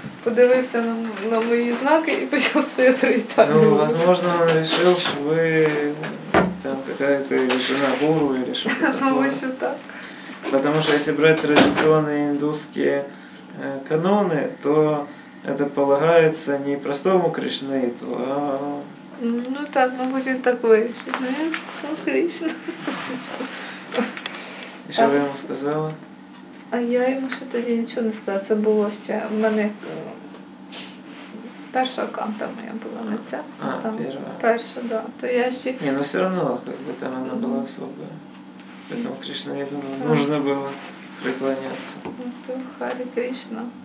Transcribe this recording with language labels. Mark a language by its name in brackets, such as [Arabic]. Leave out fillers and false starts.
[Ukrainian] подивився на мої знаки і почав своє привітання. [Russian] Ну, возможно, [Ukrainian] він вирішив, що ви там якась жена гуру чи щось таке. Тому що так. [Russian] Потому что если брать традиционные индусские каноны, то это полагается не простому кришнаиту, а... Ну так, мы будем так выяснить. Ну, Кришна. И что вы ему сказала? А я ему еще тогда ничего не сказала. Это было еще у меня... [Ukrainian] Перша канта моя була не ця. [Russian] А, там, первая. [Ukrainian] Перша, да. То я ще... [Russian] Не, ну все равно, как бы там она была особая. Поэтому Кришна, я думаю, нужно было преклоняться. Это Хари Кришна.